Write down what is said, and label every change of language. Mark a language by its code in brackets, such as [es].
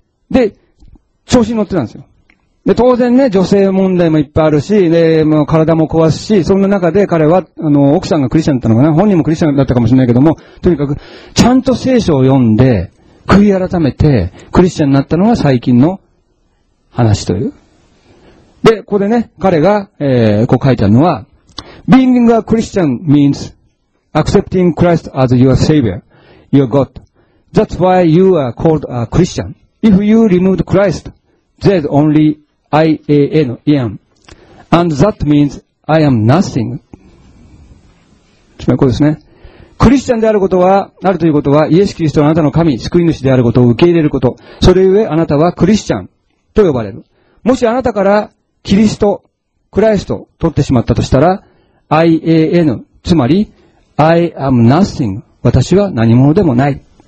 [ja] で、調子に乗ってたんですよ。で、当然ね、女性問題もいっぱいあるし、で、もう体も壊すし、そんな中で彼は、奥さんがクリスチャンだったのかな？本人もクリスチャンだったかもしれないけども、とにかく、ちゃんと聖書を読んで、悔い改めて、クリスチャンになったのが最近の話という。で、ここでね、彼が、こう書いてあるのは、 [en] Being a Christian means accepting Christ as your Savior, your God. That's why you are called a Christian. If you remove Christ, there's only I am. And that means I am nothing. [ja] つまりこうですね。クリスチャンであることは、あるということは、イエス・キリストのあなたの神、救い主であることを受け入れること。それゆえ、あなたはクリスチャンと呼ばれる。もしあなたから、キリスト、クライスト、取ってしまったとしたら、IAN、つまり、 [en] I am nothing、 [ja] 私は何者でもない。